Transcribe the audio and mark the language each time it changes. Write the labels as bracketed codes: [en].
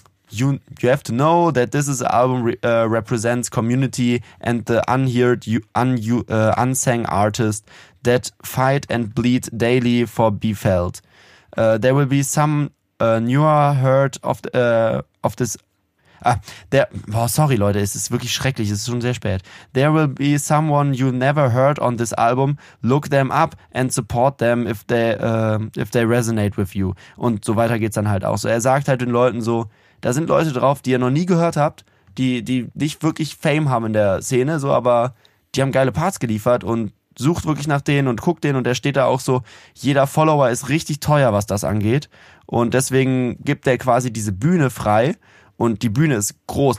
[en] You have to know that this is an album represents community and the unheard, unsung artist that fight and bleed daily for be felt. There will be some newer heard of this. [de] Leute, es ist wirklich schrecklich, es ist schon sehr spät. [en] There will be someone you never heard on this album. Look them up and support them if they resonate with you. [de] Und so weiter geht's dann halt auch. So, er sagt halt den Leuten so, da sind Leute drauf, die ihr noch nie gehört habt, die nicht wirklich Fame haben in der Szene, so, aber die haben geile Parts geliefert und sucht wirklich nach denen und guckt denen und der steht da auch so, jeder Follower ist richtig teuer, was das angeht. Und deswegen gibt der quasi diese Bühne frei und die Bühne ist groß.